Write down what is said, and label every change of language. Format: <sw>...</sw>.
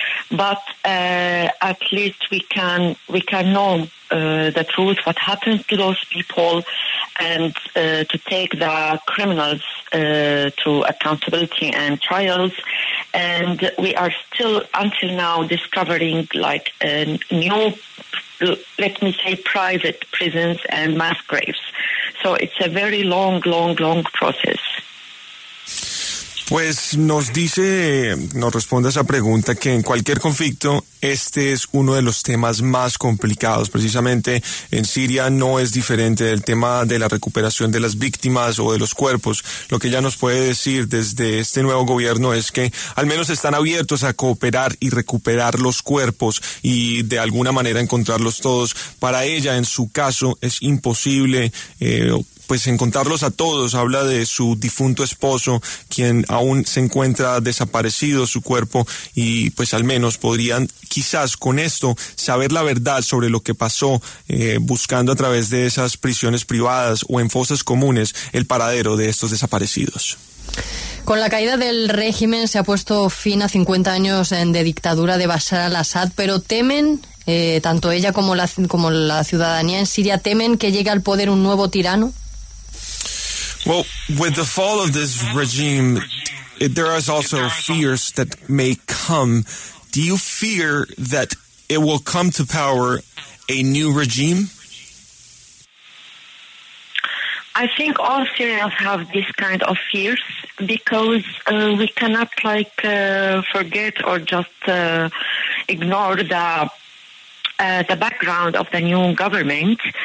<en>But at least we can know the truth, what happened to those people, and to take the criminals to accountability and trials. And we are still until now discovering like a new, let me say, private prisons and mass graves. So it's a very long, long, long process.</en> <es>Pues nos dice, nos responde a esa pregunta, que en cualquier conflicto este es uno de los temas más complicados. Precisamente en Siria no es diferente el tema de la recuperación de las víctimas o de los cuerpos. Lo que ella nos puede decir desde este nuevo gobierno es que al menos están abiertos a cooperar y recuperar los cuerpos y de alguna manera encontrarlos todos. Para ella, en su caso, es imposible pues encontrarlos a todos. Habla de su difunto esposo, quien aún se encuentra desaparecido, su cuerpo, y pues al menos podrían quizás con esto saber la verdad sobre lo que pasó, buscando a través de esas prisiones privadas o en fosas comunes el paradero de estos desaparecidos. Con la caída del régimen se ha puesto fin a 50 años de dictadura de Bashar al-Assad, pero temen, tanto ella como la ciudadanía en Siria, temen que llegue al poder un nuevo tirano.</es> <en>Well, with the fall of this regime, there is also fears that may come. Do you fear that it will come to power a new regime? I think all Syrians have this kind of fears, because we cannot like forget or just ignore the background of the new government.</en>